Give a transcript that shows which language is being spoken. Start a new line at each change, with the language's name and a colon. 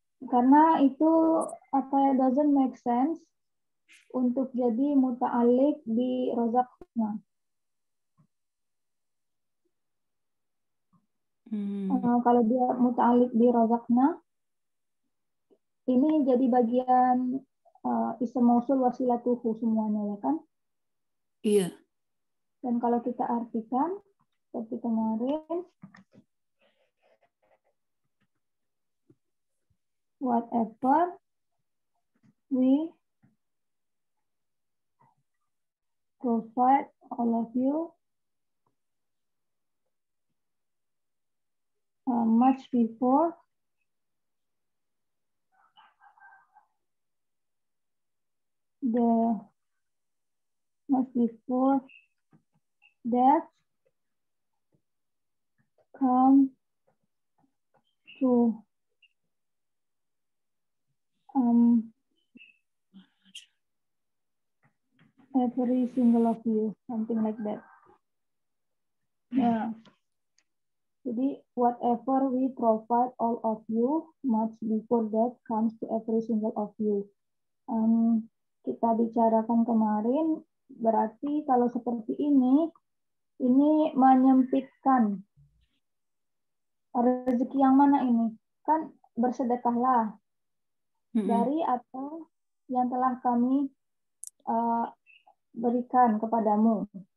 Indonesian: Karena itu apa ya
English: doesn't make sense
Indonesian: untuk jadi muta'alliq di rozaknya. Kalau dia muta'alliq di rozaknya, ini jadi bagian isim mausul wasilatuhu semuanya ya kan? Iya. Dan kalau kita artikan seperti kemarin,
English: whatever we provide all of you much before the much before death come to every single of you, something like that. Yeah. Jadi, whatever we provide all of you, much before that comes to every single of you.
Indonesian: Kita bicarakan kemarin, berarti kalau seperti ini menyempitkan rezeki yang mana ini? Kan bersedekahlah. Dari atau yang telah kami berikan kepadamu.